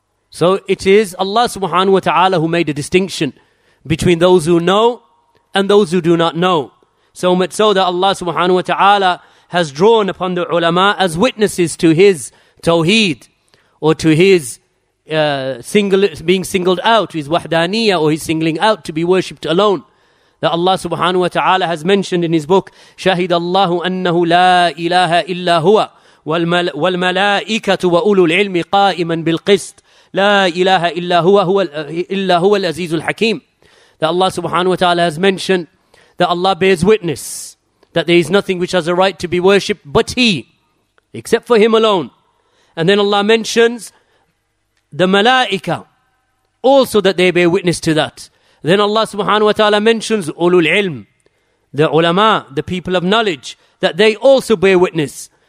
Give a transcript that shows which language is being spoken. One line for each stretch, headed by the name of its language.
English: So it is Allah subhanahu wa ta'ala who made a distinction between those who know and those who do not know. So much so that Allah subhanahu wa ta'ala has drawn upon the ulama as witnesses to his tawheed, or to his being singled out, his wahdaniya, or his singling out to be worshipped alone. That Allah subhanahu wa ta'ala has mentioned in his book,
Arabic: شَهِدَ اللَّهُ أَنَّهُ لَا إِلَهَ إِلَّا هُوَ وَالْمَلَائِكَةُ وَأُولُو الْعِلْمِ قَائِمًا بِالْقِسْطِ لَا إِلَهَ إِلَّا هُوَ الْعَزِيزُ الْحَكِيمُ.
English: That Allah subhanahu wa ta'ala has mentioned that Allah bears witness that there is nothing which has a right to be worshipped but He, except for Him alone. And then Allah mentions the Malaika, also that they bear witness to that. Then Allah subhanahu wa ta'ala mentions Ulul Ilm, the ulama, the people of knowledge, that they also bear witness.